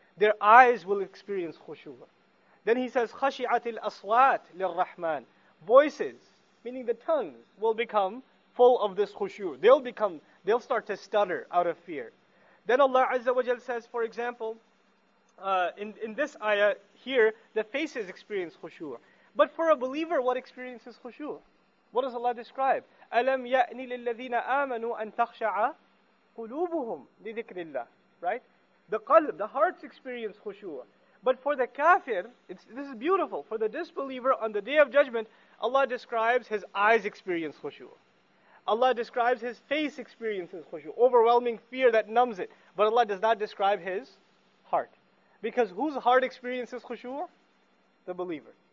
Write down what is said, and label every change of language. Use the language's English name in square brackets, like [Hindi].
[English] Their eyes will experience khushu'. Then he says, [Arabic] خَشِعَةِ الْأَصْوَاتِ لِلرَّحْمَنِ, [English] voices, meaning the tongues, will become full of this khushu. They'll start to stutter out of fear. Then Allah Azza wa Jal says, for example, in this ayah here, the faces experience khushu. But for a believer, what experiences khushu? What does Allah describe? [Arabic] أَلَمْ يَأْنِ لِلَّذِينَ آمَنُوا أَن تَخْشَعَ قُلُوبُهُمْ لِذِكْرِ اللَّهِ, right? [English] The qalb, the hearts experience khushu. But for the kafir, this is beautiful. For the disbeliever, on the Day of Judgment, Allah describes his eyes experience khushu. Allah describes his face experiences khushu, overwhelming fear that numbs it. But Allah does not describe his heart. Because whose heart experiences khushu? The believer.